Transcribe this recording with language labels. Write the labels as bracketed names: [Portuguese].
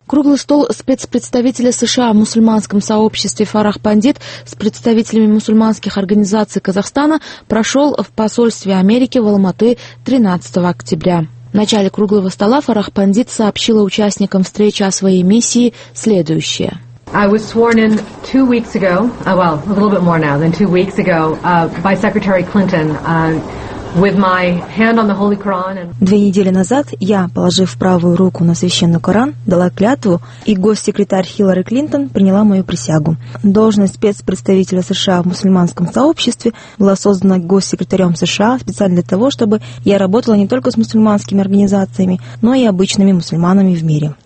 [Russian] Круглый стол спецпредставителя США в мусульманском сообществе Фарах Пандит с представителями мусульманских организаций Казахстана прошел в посольстве Америки в Алматы 13 октября. В начале круглого стола Фарах Пандит сообщила участникам встречи о своей миссии следующее. [English] I was sworn in 2 weeks ago, a little bit more now than 2 weeks ago, by Secretary Clinton, with my hand on the Holy Quran. [Russian] Две недели назад я, положив правую руку на священный Коран, дала клятву, и госсекретарь Хиллари Клинтон приняла мою присягу. Должность спецпредставителя США в мусульманском сообществе была создана госсекретарем США специально для того, чтобы я работала не только с мусульманскими организациями, но и обычными мусульманами в мире.